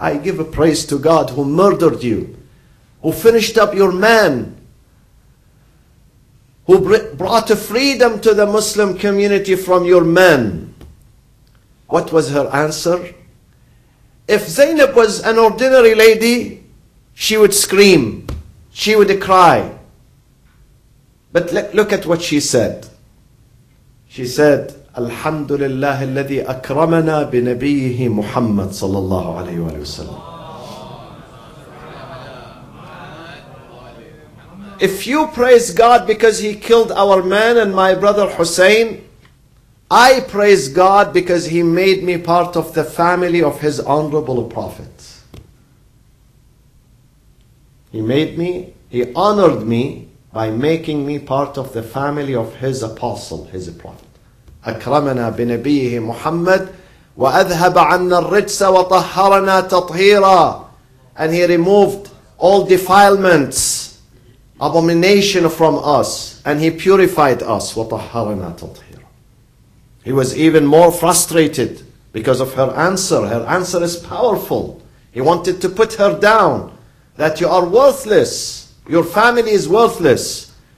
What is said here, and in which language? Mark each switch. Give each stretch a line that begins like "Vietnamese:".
English: I give a praise to God who murdered you, who finished up your man, who brought a freedom to the Muslim community from your men." What was her answer? If Zainab was an ordinary lady, she would scream, she would cry. But look at what she said. She said,
Arabic: الحمد لله الذي أكرمنا بنبيه محمد صلى الله عليه وآله وسلم.
English: If you praise God because he killed our man and my brother Hussein, I praise God because he made me part of the family of his honorable prophet. He honored me by making me part of the family of his apostle, his prophet.
Arabic: أكرمنا بنبيه محمد وأذهب عنا الرجس وطهرنا تطهيرا.
English: And he removed all defilements, abomination from us, and he purified us.
Arabic: وطهرنا تطهيرا.
English: He was even more frustrated because of her answer. Her answer is powerful. He wanted to put her down, that you are worthless, your family is worthless.